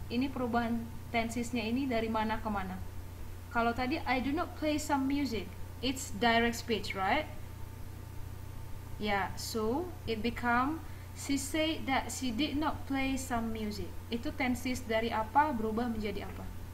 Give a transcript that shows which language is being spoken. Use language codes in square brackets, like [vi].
[id] Ini perubahan tensesnya ini dari mana ke mana? Kalau tadi [en] I do not play some music, it's direct speech, right? Yeah, so it become she said that she did not play some music. [id] Itu tenses dari apa berubah menjadi apa?